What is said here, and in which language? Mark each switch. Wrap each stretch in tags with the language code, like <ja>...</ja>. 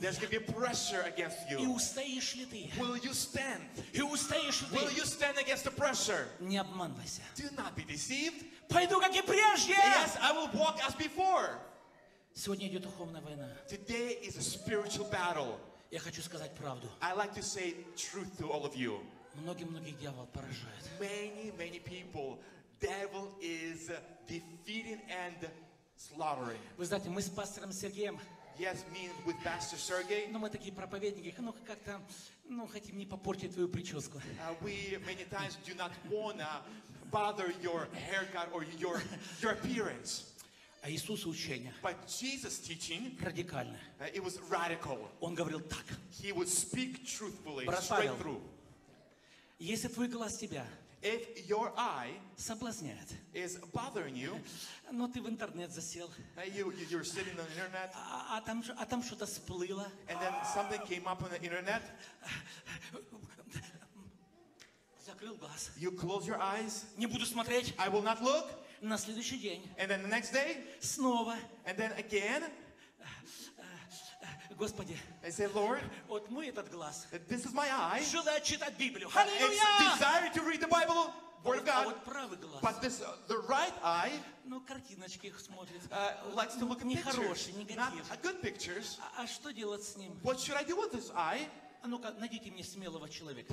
<en>There's going to be pressure against you.</en> <ru>И устоишь ли ты?</ru> <en>Will you stand?</en> <ru>И устоишь ли ты?</ru> <en>Will you stand against the pressure?</en> <ru>Не обманывайся.</ru> <en>Do not be deceived.</en> <ru>Пойду как и прежде.</ru> <en>Yes, I will walk as before.</en> <ru>Сегодня идет духовная война.</ru> <en>Today is a spiritual battle.</en> <ru>Я хочу сказать правду.</ru> <en>I like to say truth to all of you.</en> <ru>Многие дьявол поражает.</ru> <en>Many people, devil is defeating and slaughtering.</en> <ru>Вы знаете, мы с пастором Сергеем.</ru> <en>Yes, me with Pastor Sergey.</en> <ru>Но мы такие проповедники, как-то, хотим не попортить твою прическу.</ru> <en>We many times do not wanna bother your haircut or your appearance.</en> <ru>А Иисус учение.</ru> <en>But Jesus teaching.</en> <ru>Радикально.</ru> <en>It was radical.</en> <ru>Он говорил так.</ru> <en>He would speak truthfully.</en> <ru>Брат</ru> <en>straight</en> <ru>Павел,</ru> <en>through.</en> <ru>Если твой глаз тебя.</ru> <en>If your eye.</en> <ru>Соблазняет.</ru> <en>Is bothering you.</en> <ru>Но ты в интернет засел.</ru> <en>You're sitting on the internet.</en> <ru>А там что-то всплыло.</ru> <en>And then something came up on the internet.</en> <ru>Закрыл глаз.</ru> <en>You close your eyes.</en> <ru>Не буду смотреть.</ru> <en>I will not look.</en> <ru>На следующий день.</ru> <en>And then the next day.</en> <ru>Снова.</ru> <en>And then again.</en> <ru>Господи.</ru> <en>I say, Lord.</en> <ru>Вот мой этот глаз.</ru> <en>This is my eye.</en> <ru>Желаю читать Библию. Hallelujah.</ru> <en>It's desire to read the Bible, Word of God.</en> <ru>Вот правый глаз.</ru> <en>But this, the right eye.</en> <ru>Ну, картиночки их смотрит.</ru> <en>Likes to look at pictures.</en> <ru>Нехорошие, негативные.</ru> <en>Not good pictures.</en> <ru>А что делать с ним?</ru> <en>What should I do with this eye?</en> <ru>А ну-ка, найдите мне смелого человека.</ru>